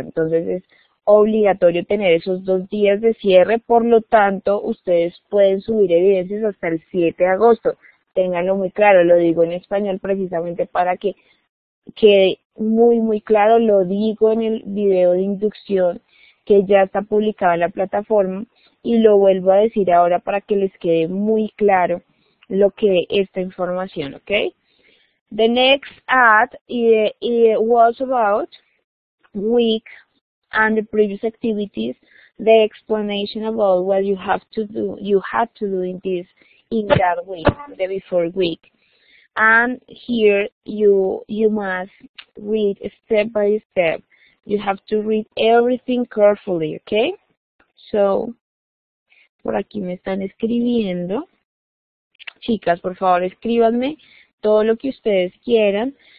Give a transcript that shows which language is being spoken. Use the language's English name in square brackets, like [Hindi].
[Spanish] Entonces es obligatorio tener esos dos días de cierre, por lo tanto ustedes pueden subir evidencias hasta el 7 de agosto. Ténganlo muy claro, lo digo en español precisamente para que quede muy, muy claro, lo digo en el video de inducción que ya está publicado en la plataforma y lo vuelvo a decir ahora para que les quede muy claro lo que esta información, ¿ok? [English] The next ad it was about week and the previous activities, the explanation about what you have to do, you had to do in this, in that week, the before week. And here you must read step by step. You have to read everything carefully, okay? [Spanish] So, por aquí me están escribiendo. Chicas, por favor, escríbanme todo lo que ustedes quieran.